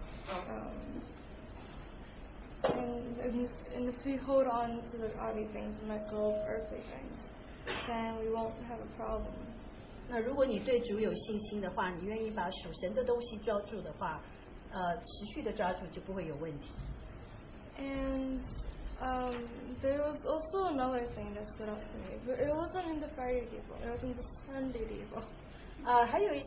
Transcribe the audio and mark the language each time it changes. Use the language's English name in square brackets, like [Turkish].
[English] And if we hold on to the godly things and let go of earthly things, then we won't have a problem. [Chinese] 那如果你对主有信心的话，你愿意把属神的东西抓住的话。 [English] And there was also another thing that stood out to me, but it wasn't in the Friday Devo, it was in the Sunday Devo.